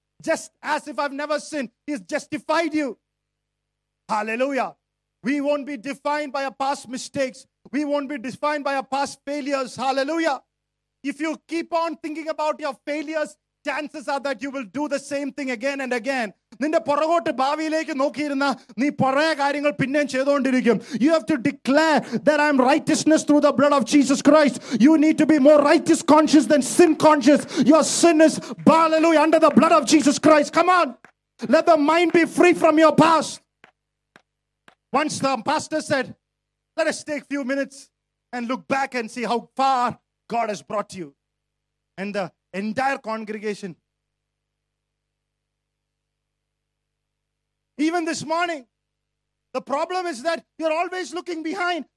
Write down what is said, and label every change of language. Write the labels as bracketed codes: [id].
[en] Just as if I've never sinned. He has justified you. Hallelujah. We won't be defined by our past mistakes. We won't be defined by our past failures. Hallelujah. If you keep on thinking about your failures, chances are that you will do the same thing again and again. [ml] നിന്റെ പുറകോട്ട് ഭാവിയിലേക്ക് നോക്കിയിരുന്നാൽ നീ പഴയ കാര്യങ്ങൾ പിന്നെയും ചെയ്തുകൊണ്ടിരിക്കും. [en] You have to declare that I am righteousness through the blood of Jesus Christ. You need to be more righteous conscious than sin conscious. Your sin is ബാലലൂയ under the blood of Jesus Christ. Come on, let the mind be free from your past. Once the pastor said, let us take a few minutes and look back and see how far God has brought you. And the entire congregation. Even this morning, the problem is that you're always looking behind.